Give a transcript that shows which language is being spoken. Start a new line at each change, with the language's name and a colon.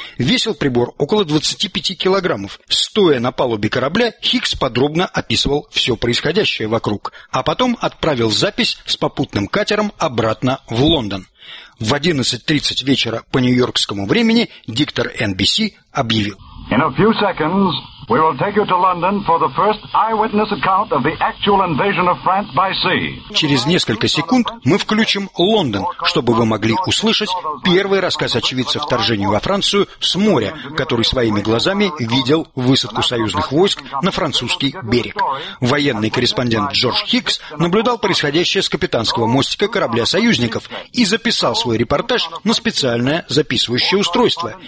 Russian: Весил прибор около 25 килограммов. Стоя на палубе корабля, Хиггс подробно описывал все происходящее вокруг, а потом отправил запись с попутным катером обратно в Лондон. В 11:30 вечера по нью-йоркскому времени диктор NBC объявил:
English: In a few seconds, we will take you to London for the first eyewitness account of the actual invasion of France by sea.
Russian: Через несколько секунд мы включим Лондон, чтобы вы могли услышать первый рассказ очевидца вторжения во Францию с моря, который своими глазами видел высадку союзных войск на французский берег. Военный корреспондент Джордж Хиггс наблюдал происходящее с капитанского мостика корабля союзников и записал свой репортаж на специальное записывающее устройство.